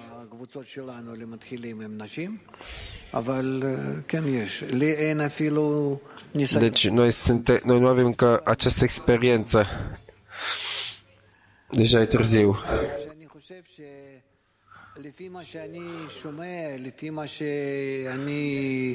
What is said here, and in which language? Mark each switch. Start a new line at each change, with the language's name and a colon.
Hebrew: קבוצות שלנו למתחילים הם נשים אבל כן יש לי אין אפילו ניסיון.
Romanian: Deci noi nu avem încă această experiență. Deja e târziu.
Hebrew: אני חושב ש לפי מה שאני שומע, לפי מה שאני